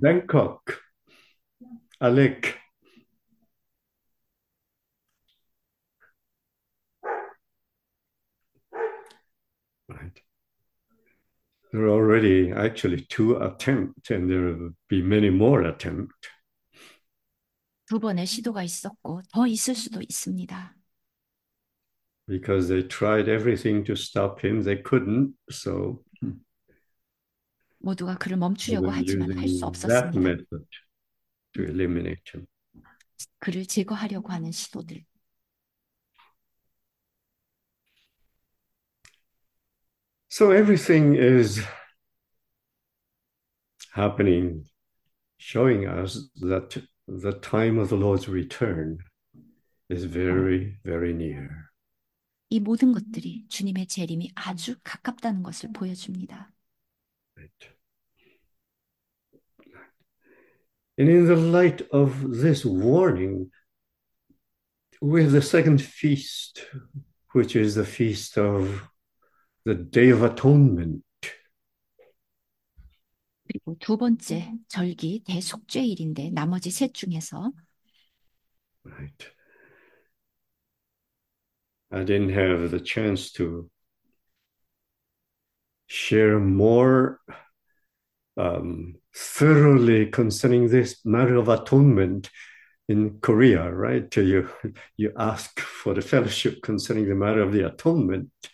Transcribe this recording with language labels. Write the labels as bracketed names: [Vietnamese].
[English] Bangkok, Alec? There are already actually two attempts, and there will be many more attempts. [Korean] 두 번의 시도가 있었고, 더 있을 수도 있습니다. [English] Because they tried everything to stop him, they couldn't, so [Korean] 모두가 그를 멈추려고 [English] been [Korean] 하지만 할수 [English] using that [Korean] 없었습니다. [English] method to eliminate him. [Korean] 그를 제거하려고 하는 시도들. [English] So everything is happening, showing us that the time of the Lord's return is very, very near. [Korean] 이 모든 것들이 주님의 재림이 아주 가깝다는 것을 보여줍니다. [English] And in the light of this warning, with the second feast, which is the feast of the Day of Atonement. [Korean] 그리고 두 번째 절기 대속죄일인데 나머지 셋 중에서 [English] I didn't have the chance to share more thoroughly concerning this matter of atonement in Korea, right? You ask for the fellowship concerning the matter of the atonement.